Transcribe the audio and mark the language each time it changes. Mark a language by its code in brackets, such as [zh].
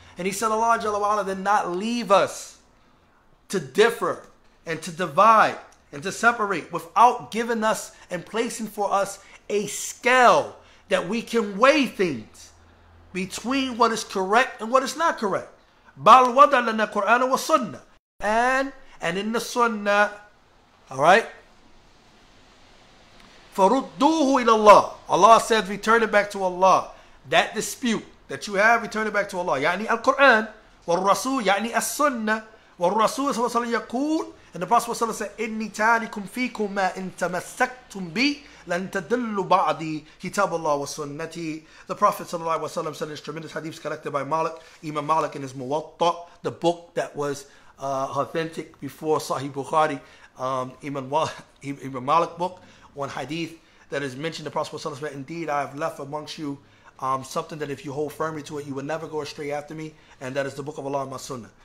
[en] And he said, Allah jalla wa ala did not leave us to differ and to divide and to separate without giving us and placing for us a scale that we can weigh things between what is correct and what is not correct. [ar] Bal wada lana Quran wa sunnah. [en] And in the sunnah, all right? [ar] فَرُدُّوهُ إِلَى اللَّهِ. [en] Allah says, return it back to Allah. That dispute that you have, return it back to Allah. [ar] يعني القرآن والرسول يعني السنة والرسول صلى الله عليه وسلم يقول. [en] And the Prophet [ar] صلى الله عليه وسلم [en] said, [ar] إِنِّي تَعْلِكُمْ فِيكُمْ مَا إِنْ تَمَسَّكْتُمْ بِي لَنْ تَدِلُّ بَعْدِي كِتَابَ اللَّهِ وَسُنَّتِي. [en] The Prophet صلى الله عليه وسلم said, this tremendous hadith collected by Malik, Imam Malik in his Muwatta, the book that was authentic before Sahih Bukhari, Imam Malik book, one hadith that is mentioned, the Prophet said, indeed I have left amongst you something that if you hold firmly to it, you will never go astray after me, and that is the book of Allah and my sunnah.